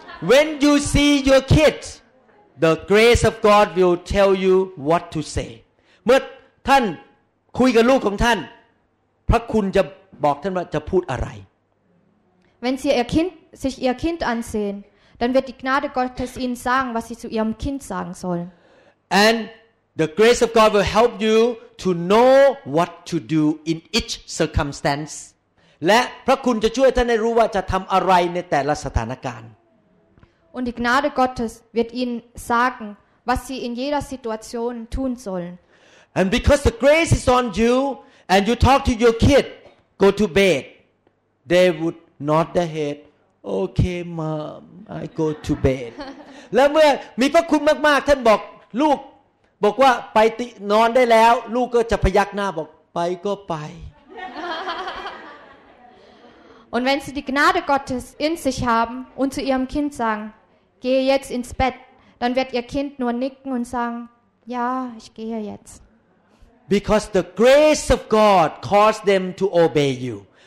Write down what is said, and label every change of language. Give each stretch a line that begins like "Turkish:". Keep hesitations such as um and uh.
English: When you see your kids the grace of God will tell you what to say
Thai: เมื่อท่านคุยกับลูกของท่าน พระคุณจะบอกท่านว่าจะพูดอะไร
German: Wenn Sie Ihr Kind sich Ihr Kind ansehen dann wird die Gnade Gottes Ihnen sagen was Sie zu Ihrem Kind sagen sollen
English: And The grace of God will help you to know what to do in each circumstance.
Thai: และพระคุณจะช่วยท่านให้รู้ว่าจะทำอะไรในแต่ละสถานการณ์
German: Und die Gnade Gottes wird Ihnen sagen, was Sie in jeder Situation tun sollen.
English: And because the grace is on you, and you talk to your kid, go to bed, they would nod their head. Okay, mom, I go to bed.
Thai: และเมื่อมีพระคุณมากๆท่านบอกลูกบอกว่าไปนอนได้แล้วลูกก็จะพยักหน้าบอกไปก็ไป
German: Und wenn sie die Gnade Gottes in sich haben und zu ihrem Kind sagen, gehe jetzt ins Bett, dann wird ihr Kind nur nicken und sagen, ja, ich gehe jetzt.
English: Because the grace of God caused them to obey you.